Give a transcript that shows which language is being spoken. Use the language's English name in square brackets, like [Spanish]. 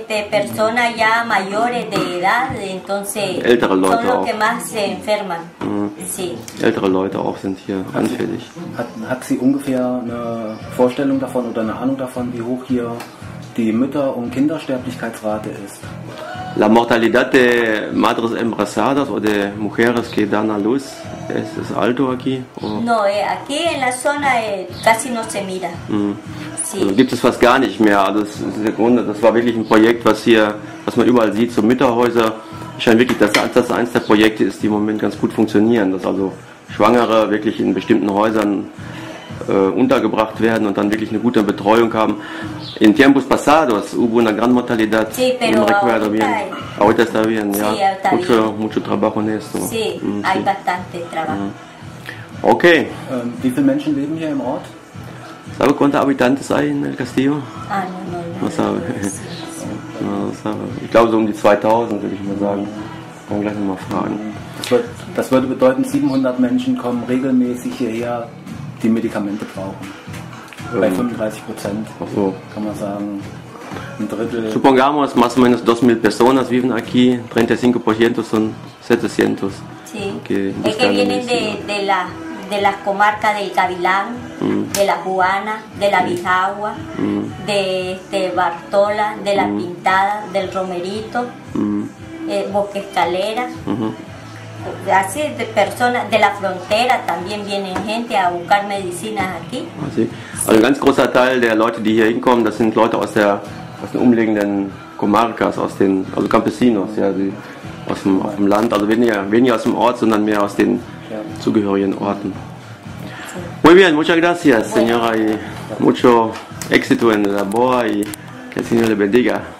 [Spanish] Personas ya mayores de edad, entonces [German] ältere Leute [Spanish] son los [German] auch. [Spanish] Que más se enferman. Sí. [German] Ältere Leute auch sind hier anfällig. Hat sie ungefähr eine Vorstellung davon oder eine Ahnung davon, wie hoch hier die Mütter- und Kindersterblichkeitsrate ist? [Spanish] La mortalidad de madres embarazadas o de mujeres que dan a luz, ¿es, es alto aquí? Oh. No, aquí en la zona casi no se mira. Mm. Sí. [German] Also, gibt es fast gar nicht mehr. Das ist der Grund, das war wirklich ein Projekt, was hier, was man überall sieht, so Mütterhäuser. Ich scheine wirklich, dass das eins der Projekte ist, die im Moment ganz gut funktionieren. Dass also Schwangere wirklich in bestimmten Häusern untergebracht werden und dann wirklich eine gute Betreuung haben. [Spanish] In tiempos pasados hubo una gran mortalidad. Sí, pero recuerdo bien. Ahorita está bien, sí, ya. Está mucho, bien. Mucho trabajo en esto. Sí, mm, hay sí. Bastante trabajo. Okay. [German] Wie viele Menschen leben hier im Ort? [Spanish] ¿Sabe cuántos habitantes hay en el castillo? Ah, no, no, no. No sabe. No, no, no sabe. [German] Ich glaube so um die 2000, würde ich mal sagen. Kann gleich nochmal fragen. Das würde bedeuten, 700 Menschen kommen regelmäßig hierher, die Medikamente brauchen. Bei 35%, Ach so. Kann man sagen, ein Drittel. [Spanish] Supongamos, más o menos 2.000 personas viven aquí, 35% son 700. Sí, okay. Es que vienen de las comarcas del Cavilán, de la Cubana, de la Bijagua, de Bartola, de la Pintada, del Romerito, Bosque Escalera. Así de personas de la frontera también vienen gente a buscar medicinas aquí. Ah, sí. [German] Also ein ganz großer Teil der Leute, die hier hinkommen, das sind Leute aus den umliegenden Comarcas, aus den, also Campesinos, ja, die, aus dem, auf dem Land, also weniger, weniger aus dem Ort, sondern mehr aus den zugehörigen Orten. [Spanish] Muy bien, muchas gracias, señora, y mucho éxito en el labor, y que el Señor le bendiga.